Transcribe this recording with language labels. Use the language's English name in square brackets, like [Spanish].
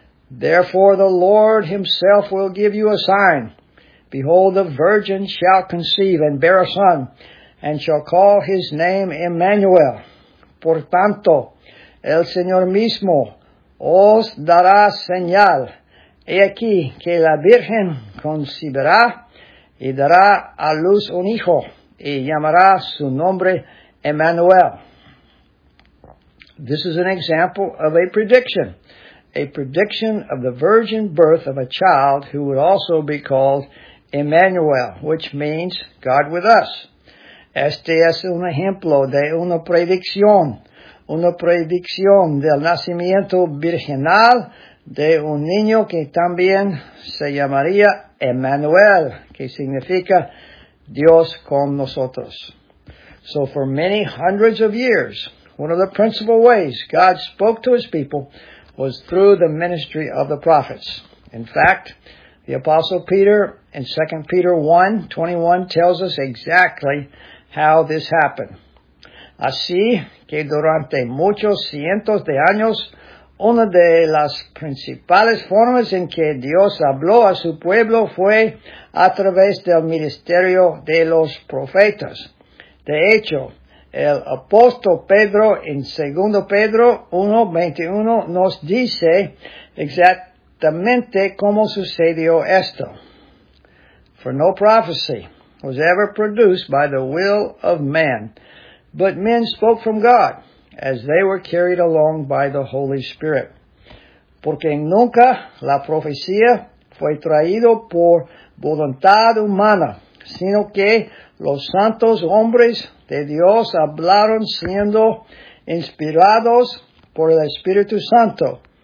[English] Therefore, the Lord himself will give you a sign. Behold, the virgin shall conceive and bear a son, and shall call his name Emmanuel. [Spanish] Por tanto, el Señor mismo os dará señal. He aquí que la Virgen concibirá y dará a luz un hijo, y llamará su nombre Emmanuel. [English] This is an example of a prediction of the virgin birth of a child who would also be called Emmanuel, which means God with us. [Spanish] Este es un ejemplo de una predicción del nacimiento virginal de un niño que también se llamaría Emmanuel, que significa Dios con nosotros. [English] So for many hundreds of years, one of the principal ways God spoke to his people was through the ministry of the prophets. In fact, the Apostle Peter in 2 Peter 1, 21 tells us exactly how this happened. [Spanish] Así que durante muchos cientos de años, una de las principales formas en que Dios habló a su pueblo fue a través del ministerio de los profetas. De hecho, el apóstol Pedro en 2 Pedro 1:21 nos dice exactamente cómo sucedió esto. [English] For no prophecy was ever produced by the will of man, but men spoke from God as they were carried along by the Holy Spirit. [Spanish] Porque nunca la profecía fue traído por voluntad humana, sino que los santos hombres de Dios hablaron siendo inspirados por el Espíritu Santo.